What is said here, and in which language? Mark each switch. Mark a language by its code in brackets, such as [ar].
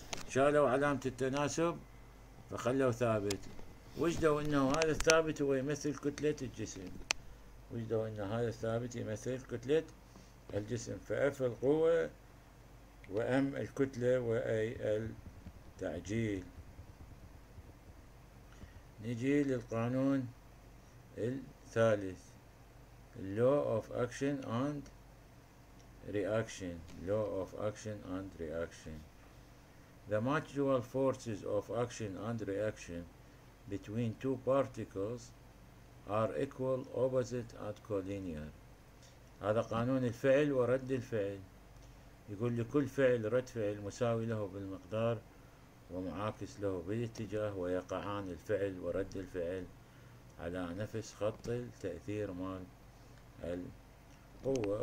[ar] شالوا علامة التناسب فخلوا ثابت، وجدوا أنه هذا الثابت هو يمثل كتلة الجسم. وجدوا أن هذا الثابت يمثل كتلة الجسم، فF القوة وM الكتلة وA التعجيل. نجي للقانون الثالث: [en] Law of Action and Reaction. Law of Action and Reaction: The mutual forces of action and reaction between two particles are equal, opposite, and collinear. [ar] هذا قانون الفعل ورد الفعل. يقول لكل فعل رد فعل مساوي له بالمقدار ومعاكس له بالاتجاه، ويقعان الفعل ورد الفعل على نفس خط التأثير مال القوة.